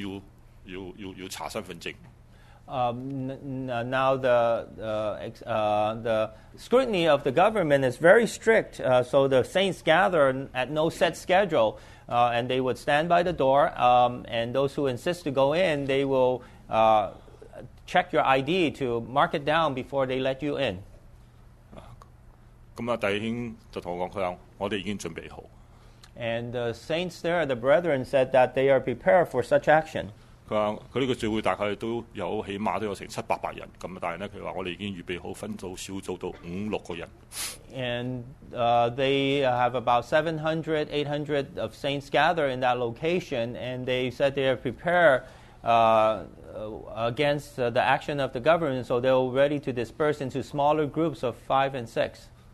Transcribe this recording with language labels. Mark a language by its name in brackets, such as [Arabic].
[Chinese] 政府的檢查更加嚴厲，他們的聚會政府是不定時的，會去到聚會門口，攔阻人們去聚會，真的要進去的人一定要查身份證。 [English] Now the scrutiny of the government is very strict, so the saints gather at no set schedule, and they would stand by the door, and those who insist to go in, they will check your ID to mark it down before they let you in. [Chinese] 弟兄就跟我說，我們已經準備好。 [English] And the saints there, the brethren, said that they are prepared for such action. [Chinese] 他這個聚會大概都有起碼都有成700-800人，但是他說我們已經預備好分組小組到5-6個人。 [English] And they have about 700, 800 of saints gathered in that location, and they said they are prepared against the action of the government, so they are ready to disperse into smaller groups of 5 and 6.